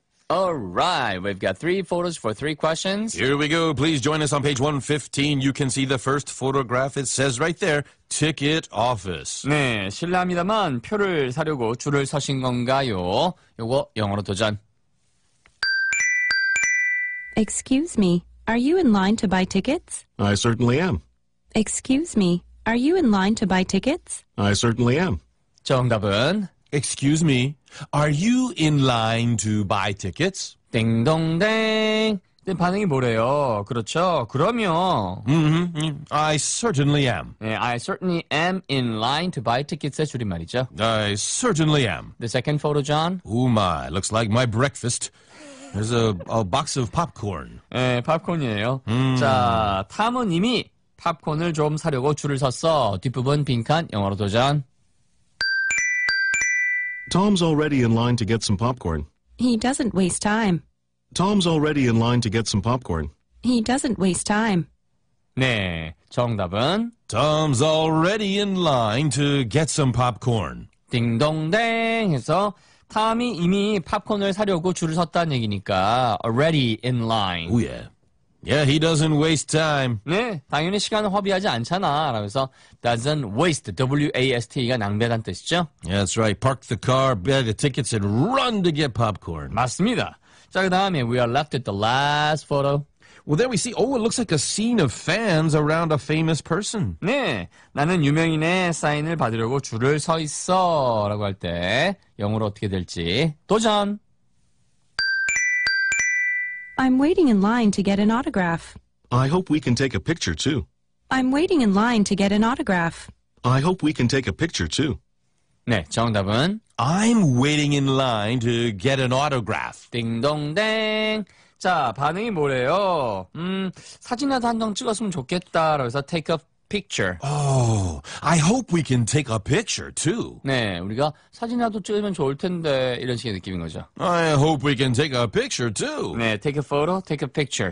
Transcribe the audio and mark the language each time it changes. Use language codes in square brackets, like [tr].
[en] All right, we've got three photos for three questions. Here we go. Please join us on page 115. You can see the first photograph. It says right there, ticket office. [ko] 네, 실례합니다만 표를 사려고 줄을 서신 건가요? 요거 영어로 도전. [en] Excuse me, are you in line to buy tickets? I certainly am. Excuse me, are you in line to buy tickets? I certainly am. [ko] 정답은? [en] Excuse me, are you in line to buy tickets? [ko] 띵동댕. 근데 반응이 뭐래요? 그렇죠. 그럼요. [en] I certainly am. 네, I certainly am in line to buy tickets의 줄임말이죠. I certainly am. The second photo, John. Oh my, looks like my breakfast. There's a box of popcorn. [ko] 네, 팝콘이에요. 자, 탐은 이미 팝콘을 좀 사려고 줄을 섰어. 뒷부분 빈칸 영어로 도전. [en] Tom's already in line to get some popcorn. He doesn't waste time. Tom's already in line to get some popcorn. He doesn't waste time. [ko] 네, 정답은 [en] Tom's already in line to get some popcorn. [ko] 딩동댕 해서 탐이 이미 팝콘을 사려고 줄을 섰다는 얘기니까 already in line. [en] Oh yeah. Yeah, he doesn't waste time. [ko] 네, 당연히 시간을 허비하지 않잖아. 라면서 doesn't waste, W-A-S-T가 낭비하다는 뜻이죠. [en] Yeah, that's right. Park the car, bag the tickets and run to get popcorn. [ko] 맞습니다. [en] 자, 그 다음에 we are left with the last photo. Well, there we see. Oh, it looks like a scene of fans around a famous person. [ko] 네, 나는 유명인의 사인을 받으려고 줄을 서 있어라고 할 때 영어로 어떻게 될지 도전. [en] I'm waiting in line to get an autograph. I hope we can take a picture too. I'm waiting in line to get an autograph. I hope we can take a picture too. [ko] 네, 정답은 [en] I'm waiting in line to get an autograph. [ko] 딩동댕. 자, 반응이 뭐래요? 사진이라도 한 장 찍었으면 좋겠다. [en] 그래서 take a picture. Oh, I hope we can take a picture too. [ko] 네, 우리가 사진이라도 찍으면 좋을 텐데 이런 식의 느낌인 거죠. [en] I hope we can take a picture too. 네, take a photo, take a picture.